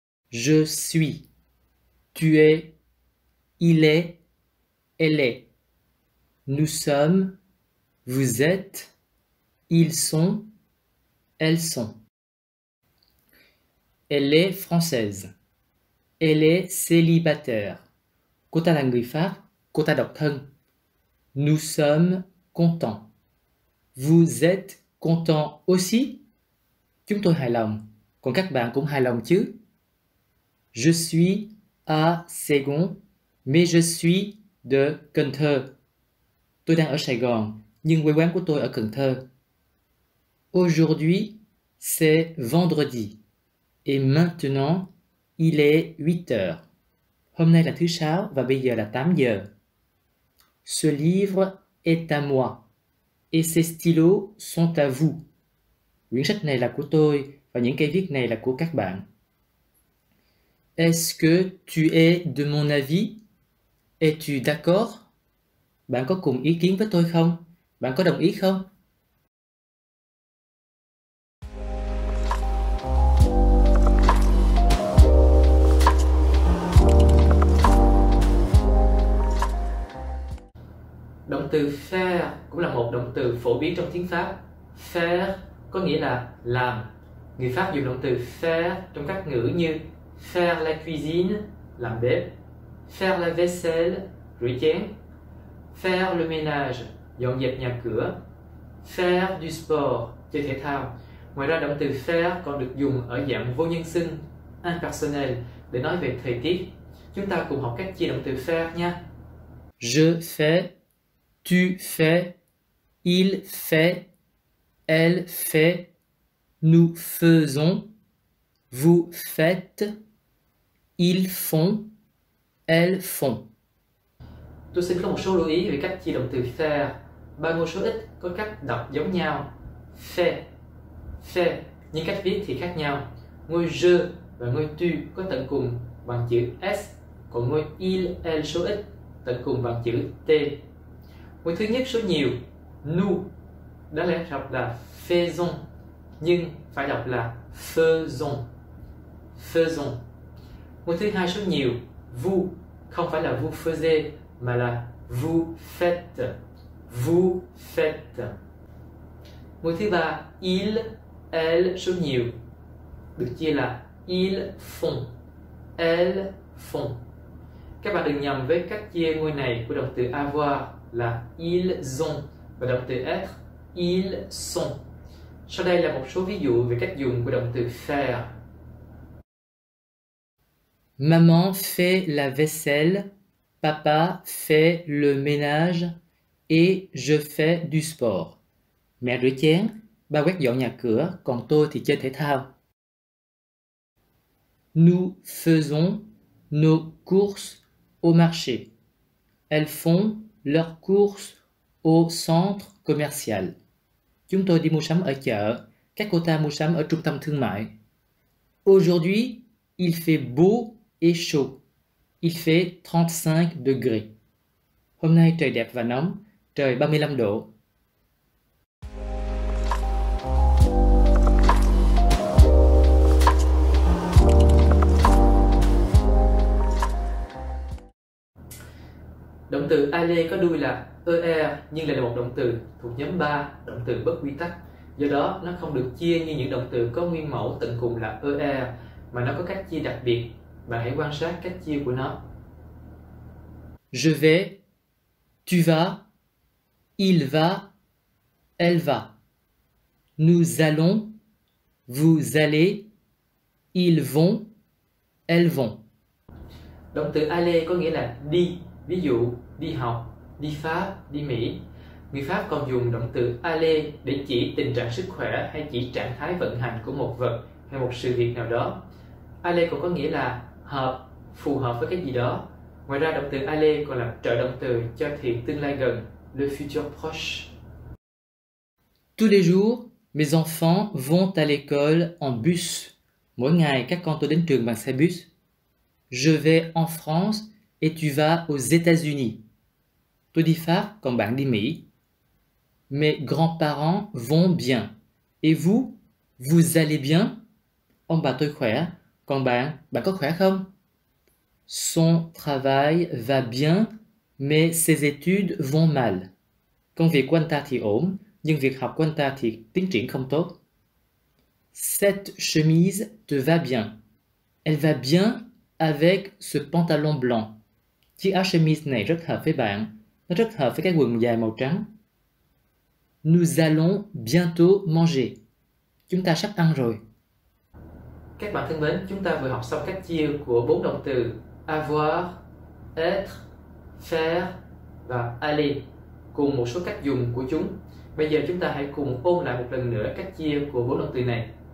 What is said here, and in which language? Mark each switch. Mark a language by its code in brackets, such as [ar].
[fr] Je suis. Tu es. Il est. Elle est. Nous sommes. Vous êtes. Ils sont. Elles sont. Elle est française. Elle est célibataire. [vi] Cô ta là người Pháp, cô ta độc thân. [fr] Nous sommes contents. Vous êtes contents aussi? [vi] Chúng tôi hài lòng. Còn các bạn cũng hài lòng chứ? [fr] Je suis à Saigon, mais je suis de Cần Thơ. [vi] Tôi đang ở Sài Gòn, nhưng quê quán của tôi ở Cần Thơ. [fr] Aujourd'hui, c'est vendredi. Et maintenant, il est 8 heures. [vi] Hôm nay là thứ sáu và bây giờ là 8 giờ. [fr] Ce livre est à moi. Et ces stylos sont à vous. [vi] Quyển sách này là của tôi và những cây viết này là của các bạn. [fr] Est-ce que tu es de mon avis? Es-tu d'accord? [vi] Bạn có cùng ý kiến với tôi không? Bạn có đồng ý không? Động từ faire cũng là một động từ phổ biến trong tiếng Pháp. Faire có nghĩa là làm. Người Pháp dùng động từ faire trong các ngữ như [fr] faire la cuisine, [vi] làm bếp, [fr] faire la vaisselle, [vi] rửa chén, [fr] faire le ménage, [vi] dọn dẹp nhà cửa, [fr] faire du sport, [vi] chơi thể thao. Ngoài ra, động từ faire còn được dùng ở dạng vô nhân xưng, impersonnel, để nói về thời tiết. Chúng ta cùng học cách chia động từ faire nha. [fr] Je fais, tu fais, il fait, elle fait, nous faisons, vous faites, ils font, elles font. [vi] Tôi xin có một số lưu ý về cách chia động từ faire. Ba ngôn số ít có cách đọc giống nhau. [fr] Fait, fait, [vi] nhưng cách viết thì khác nhau. Ngôi je và ngôi tu có tận cùng bằng chữ S, còn ngôi il, elle số ít tận cùng bằng chữ T. Ngôi thứ nhất số nhiều, nous, đã lẽ học là faisons, nhưng phải đọc là [fr] faisons, faisons. [vi] Ngôi thứ hai số nhiều, vous, không phải là [fr] vous faisiez, [vi] mà là [fr] vous faites, vous faites. [vi] Ngôi thứ ba, il, elle số nhiều, được chia là [fr] ils font, elles font. [vi] Các bạn đừng nhầm với cách chia ngôi này của động từ avoir là [fr] ils ont [vi] và động từ être [fr] ils sont. [vi] Sau đây là một số ví dụ về cách dùng của động từ faire. [fr] Maman fait la vaisselle, papa fait le ménage et je fais du sport. [vi] Mẹ rửa chén, ba quét dọn nhà cửa, còn tôi thì chơi thể thao. [fr] Nous faisons nos courses au marché. Elles font leurs courses au centre commercial. [vi] Chúng tôi đi mua sắm ở chợ, các cô ta mua sắm ở trung tâm thương mại. [fr] Aujourd'hui, il fait beau et chaud. Il fait 35 degrés. [vi] Hôm nay trời đẹp và nóng, trời 35 độ. Động từ aller có đuôi là er nhưng lại là một động từ thuộc nhóm 3, động từ bất quy tắc. Do đó, nó không được chia như những động từ có nguyên mẫu tận cùng là er, mà nó có cách chia đặc biệt. Bạn hãy quan sát cách chia của nó. [fr] Je vais, tu vas, il va, elle va. Nous allons, vous allez, ils vont, elles vont. [vi] Động từ aller có nghĩa là đi. Ví dụ, đi học, đi Pháp, đi Mỹ. Người Pháp còn dùng động từ aller để chỉ tình trạng sức khỏe hay chỉ trạng thái vận hành của một vật hay một sự việc nào đó. Aller còn có nghĩa là hợp, phù hợp với cái gì đó. Ngoài ra, động từ aller còn là trợ động từ cho thì tương lai gần, [fr] le futur proche. Tous les jours, mes enfants vont à l'école en bus. [vi] Mỗi ngày, các con tôi đến trường bằng xe bus. [fr] Je vais en France et tu vas aux États-Unis. [vi] Tôi đi Pháp, còn bạn đi Mỹ. [fr] Mes grands-parents vont bien. Et vous, vous allez bien? [vi] Ông bà tôi khỏe, còn bạn, bạn có khỏe không? [fr] Son travail va bien, mais ses études vont mal. [vi] Công việc của anh ta thì ổn, nhưng việc học của anh ta thì tiến triển không tốt. [fr] Cette chemise te va bien. Elle va bien avec ce pantalon blanc. [vi] Chiếc áo chemise này rất hợp với bạn. Nó rất hợp với cái quần dài màu trắng. [fr] Nous allons bientôt manger. [vi] Chúng ta sắp ăn rồi. Các bạn thân mến, chúng ta vừa học xong cách chia của bốn động từ avoir, être, faire và aller cùng một số cách dùng của chúng. Bây giờ chúng ta hãy cùng ôn lại một lần nữa cách chia của bốn động từ này.